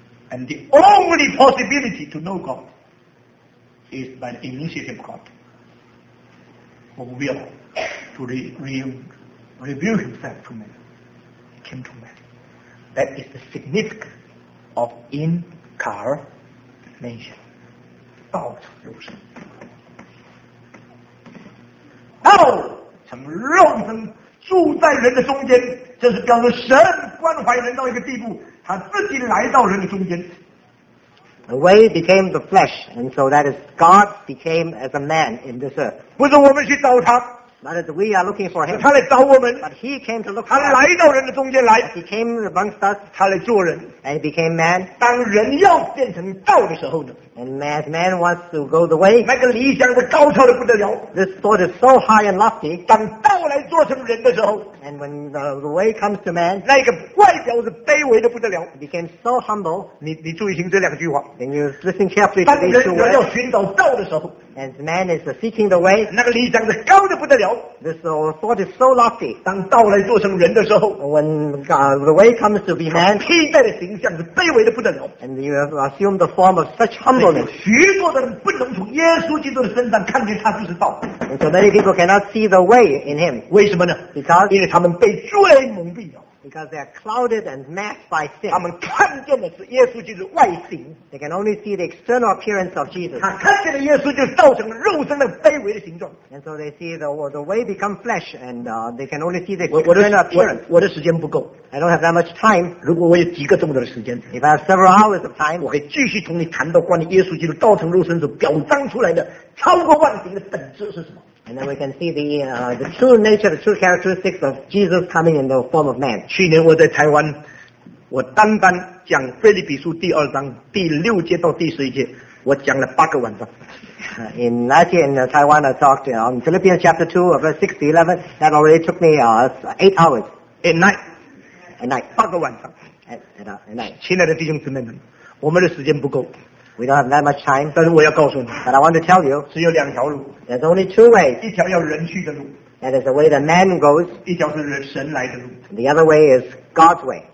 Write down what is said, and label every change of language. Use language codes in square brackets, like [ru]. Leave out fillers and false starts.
[en] And the only possibility to know God is by the initiative of God who will to reveal himself to man. He came to man. That is the significance of incarnation. [zh] 道成肉身。道成肉身住在人的中间，这是表示神关怀人到一个地步，他自己来到人的中间。 [en] The way became the flesh, and so that is God became as a man in this earth. [zh] 不是我们去找他 [en] ，but as we are looking for him. [zh] 他来找我们 [en] ，but he came to look. [zh] 他来到人的中间来 [en] ，he came amongst us. [zh] 他来做人 [en] ，and he became man. [zh] 当人要变成道的时候呢 [en] ，and as man wants to go the way, [zh] 那个理想是高超的不得了。 [en] This thought is so high and lofty. [zh] 当道来做成人的时候 [en] ，and when the way comes to man, [zh] 那个外表是卑微的不得了 [en] ，he became so humble. [zh] 你注意听这两句话 [en] ，and you listen carefully. [zh] 当人要寻找道的时候。 [en] As man is seeking the way, [zh] 那个理想是高得不得了。 [en] This thought is so lofty. [zh] 当道来做成人的时候 [en] ，when the way comes to be man, [zh] 他披戴的形象是卑微的不得了。 [en] And you assume the form of such humbleness. [zh] 许多的人不能从耶稣基督的身上看见他就是道。 [en] And so many people cannot see the way in him. [zh] 为什么呢 [en] ？Because [zh] 因为他们被罪蒙蔽了。 [en] Because they are clouded and masked by sin. [zh] 他们看见的是耶稣基督外形。 [en] They can only see the external appearance of Jesus. [zh] 他看见的耶稣就造成了肉身的卑微的形状。 [en] And so they see the way become flesh, and they can only see the external appearance. [zh] 我的时间不够。 [en] I don't have that much time. [zh] 如果我有几个钟头的时间 [en] ，If I have several hours of time, [zh] 我可以继续同你谈到关于耶稣基督造成肉身所表彰出来的超过万形的本质是什么。 [en] And then we can see the true nature, the true characteristics of Jesus coming in the form of man. [zh] 去年我在台湾，我单单讲腓立比书第二章第六节到第十一节，我讲了八个晚上。 [en] In last year in Taiwan, I talked on Philippians chapter 2, verse 6 to 11. That already took me 8 hours. At night. [zh] 八个晚上。 [en] At night. [zh] 亲爱的弟兄姊妹们，我们的时间不够。 [en] We don't have that much time. [zh] 但是我要告诉你 [en] ，But I want to tell you. [zh] 只有两条路。 [en] There's only two ways. [zh] 一条要人去的路。 [en] That is the way that man goes. [zh] 一条是神来的路。 [en] The other way is God's way.